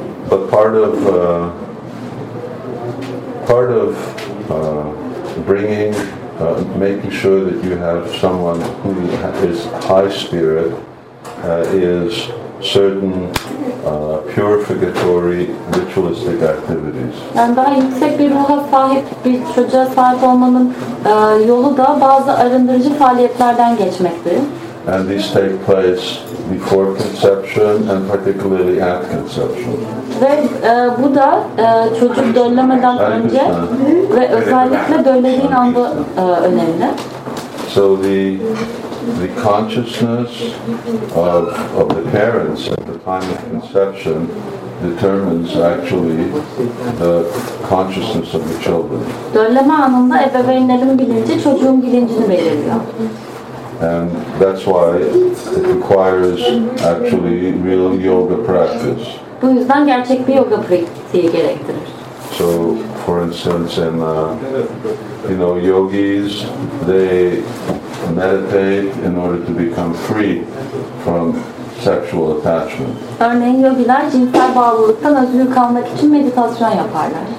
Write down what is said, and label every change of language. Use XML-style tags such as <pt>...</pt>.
<en>But part of making sure that you have someone who is high spirit is certain purificatory ritualistic activities.</en> <tr>Yani daha yüksek bir ruha sahip bir çocuğa sahip olmanın yolu da bazı arındırıcı faaliyetlerden geçmekti.</tr> <en>And these take place before conception and particularly at conception.</en> <tr>Ve bu da çocuk döllemeden önce ve özellikle döllediğin anda önemli.</tr> <en>So the consciousness of the parents at the time of conception determines actually the consciousness of the children.</en> <tr>Dönleme anında ebeveynlerin bilinci çocuğun bilincini belirliyor.</tr> <en>And that's why it requires actually real yoga practice.</en> <tr>Bu yüzden gerçek bir yoga pratiği gerektirir.</tr> <en>So for instance in you know, yogis, they meditate in order to become free from sexual attachment.</en> <tr>Örneğin yogiler cinsel bağlılıktan özgür kalmak için meditasyon yaparlar.</tr>